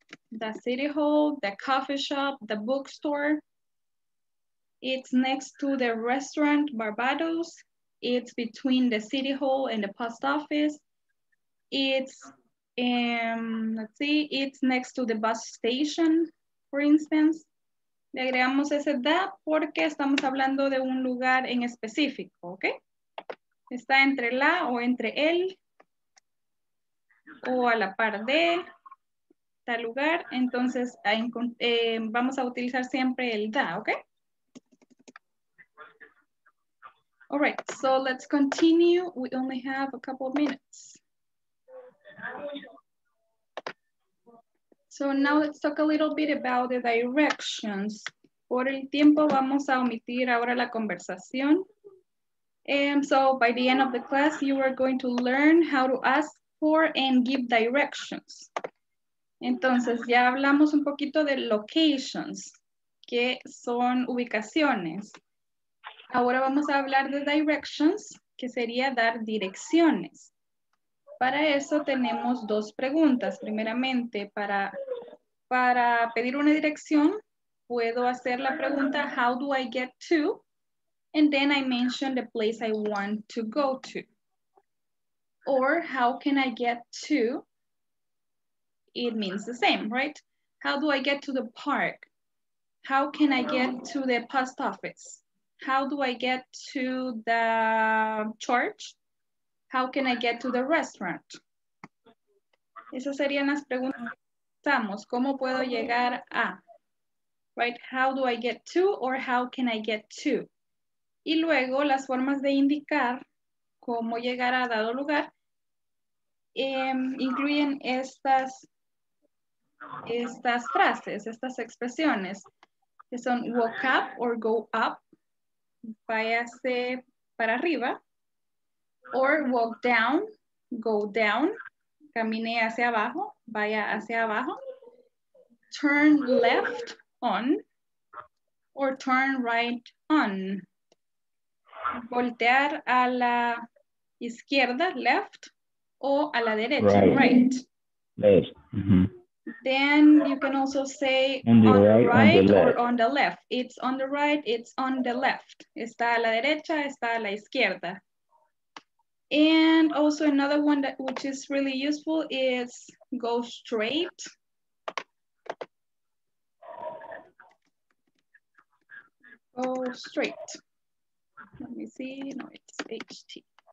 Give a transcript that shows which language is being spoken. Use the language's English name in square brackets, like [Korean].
[English] The city hall, the coffee shop, the bookstore. It's next to the restaurant Barbados. It's between the city hall and the post office. It's, let's see, it's next to the bus station, for instance. [Spanish] Le agregamos ese da porque estamos hablando de un lugar en específico, ¿ok? Está entre la o entre el, o a la par de tal lugar. Entonces, vamos a utilizar siempre el da, ¿ok? [English] All right, so let's continue. We only have a couple of minutes. So now let's talk a little bit about the directions. [Spanish] Por el tiempo vamos a omitir ahora la conversación. [English] So by the end of the class, you are going to learn how to ask for and give directions. [Spanish] Entonces ya hablamos un poquito de locations, que son ubicaciones. Ahora vamos a hablar de directions, que sería dar direcciones. Para eso tenemos dos preguntas. Primeramente, para pedir una dirección, puedo hacer la pregunta, [English] how do I get to? And then I mention the place I want to go to. Or how can I get to? It means the same, right? How do I get to the park? How can I get to the post office? How do I get to the church? How can I get to the restaurant? [Spanish] Esas serían las preguntas que estamos. ¿Cómo puedo llegar a? [English] Right? How do I get to or how can I get to? [Spanish] Y luego las formas de indicar cómo llegar a dado lugar incluyen estas frases, estas expresiones que son [English] walk up or go up, [Spanish] váyase para arriba, [English] or walk down, go down, [Spanish] camine hacia abajo, vaya hacia abajo, [English] turn left on, or turn right on, [Spanish] voltear a la izquierda, left, o a la derecha, right. [English] Then you can also say on the right or on the left. It's on the right, it's on the left. [Spanish] Está a la derecha, está a la izquierda. [English] And also another one that which is really useful is go straight. Go straight. Let me see. No, it's HT.